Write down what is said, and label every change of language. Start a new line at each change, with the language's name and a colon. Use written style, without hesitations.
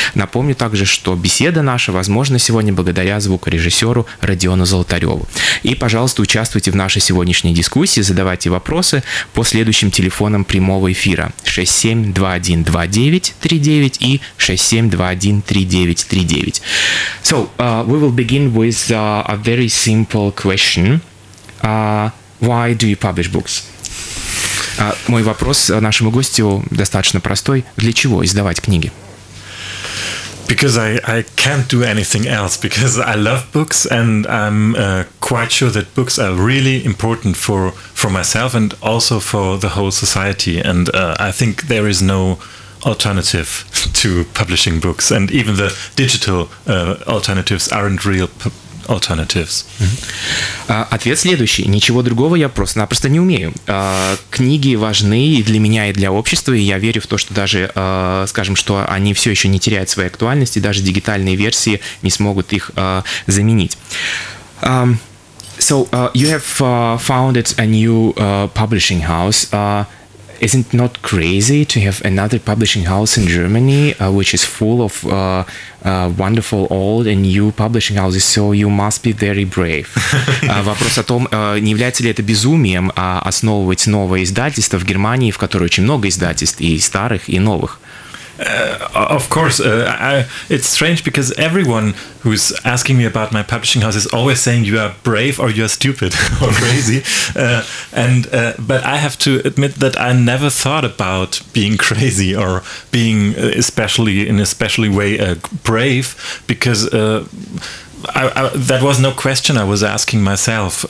Russian: Напомню также, что беседа наша возможна сегодня благодаря звукорежиссеру Родиону Золотареву. И, пожалуйста, участвуйте в нашей сегодняшней дискуссии, задавайте вопросы по следующим телефонам прямого эфира 67212939 и 67213939.
English: So, we will begin with a very simple question. Why do you publish books?
Russian: Мой вопрос нашему гостю достаточно простой. Для чего издавать книги?
English: Because I can't do anything else, because I love books and I'm quite sure that books are really important for myself and also for the whole society. And I think there is no alternative to publishing books, and even the digital alternatives aren't real alternatives.
Russian: Ответ следующий. Ничего другого я просто-напросто не умею. Книги важны и для меня, и для общества, и я верю в то, что даже, скажем, что они все еще не теряют своей актуальности, даже дигитальные версии не смогут их заменить.
English: So, you have founded a new publishing house. Isn't it not crazy to have another publishing house in Germany, which is full of wonderful old and new publishing houses, so you must be very brave.
Russian: Вопрос о том, не является ли это безумием основывать новое издательство в Германии, в которой очень много издательств, и старых, и новых.
English: Of course, it's strange because everyone who's asking me about my publishing house is always saying you are brave or you are stupid or crazy. But I have to admit that I never thought about being crazy or being especially in a specially way brave, because that was no question I was asking myself.